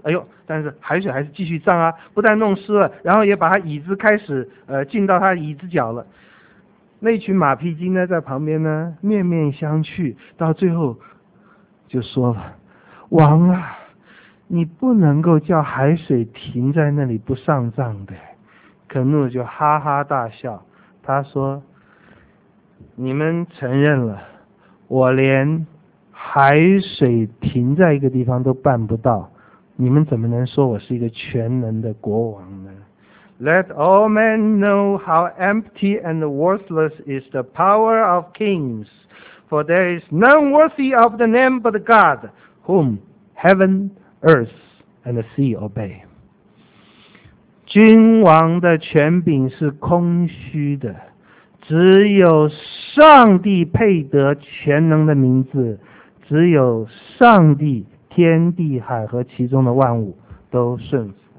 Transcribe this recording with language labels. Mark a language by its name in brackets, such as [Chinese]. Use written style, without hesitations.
[Chinese] 哎呦，但是海水还是继续涨啊，不但弄湿了，然后也把他椅子开始浸到他椅子脚了。那群马屁精呢，在旁边呢面面相觑，到最后就说了，王啊，你不能够叫海水停在那里不上涨的。可努就哈哈大笑，他说，你们承认了，我连海水停在一个地方都办不到，你们怎么能说我是一个全能的国王呢？ [English] Let all men know how empty and worthless is the power of kings, for there is none worthy of the name but God, whom heaven, earth, and the sea obey. [Chinese] 君王的权柄是空虚的，只有上帝配得全能的名字，只有上帝，天地海和其中的万物都顺服。